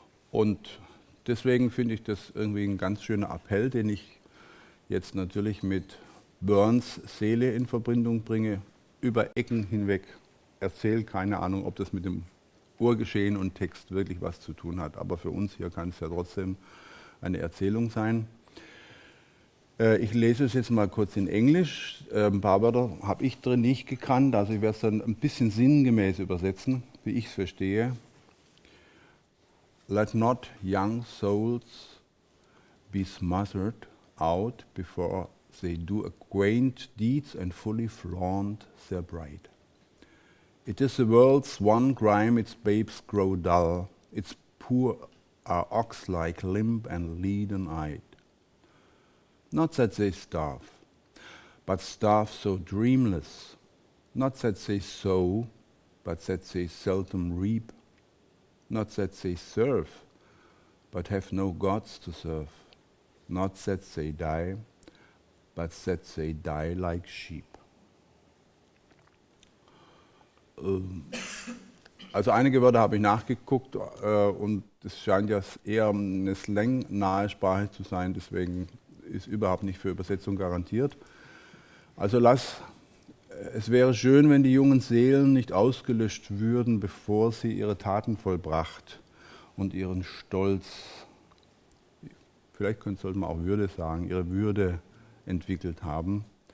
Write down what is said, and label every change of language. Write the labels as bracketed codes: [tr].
[de] Und deswegen finde ich das irgendwie ein ganz schöner Appell, den ich jetzt natürlich mit Burns Seele in Verbindung bringe, über Ecken hinweg erzählt, keine Ahnung, ob das mit dem Urgeschehen und Text wirklich was zu tun hat, aber für uns hier kann es ja trotzdem eine Erzählung sein. Ich lese es jetzt mal kurz in Englisch. Ein paar Wörter habe ich drin nicht gekannt, also ich werde es dann ein bisschen sinngemäß übersetzen, wie ich es verstehe. [en] Let not young souls be smothered out before they do acquaint deeds and fully flaunt their bride. It is the world's one grime, its babes grow dull, its poor are ox-like, limp and leaden-eyed. Not that they starve, but starve so dreamless. Not that they sow, but that they seldom reap. Not that they serve, but have no gods to serve. Not that they die, but that they die like sheep. [de] Also einige Wörter habe ich nachgeguckt und es scheint ja eher eine slangnahe Sprache zu sein, deswegen ist überhaupt nicht für Übersetzung garantiert. Also es wäre schön, wenn die jungen Seelen nicht ausgelöscht würden, bevor sie ihre Taten vollbracht und ihren Stolz, vielleicht sollte man auch Würde sagen, ihre Würde entwickelt haben.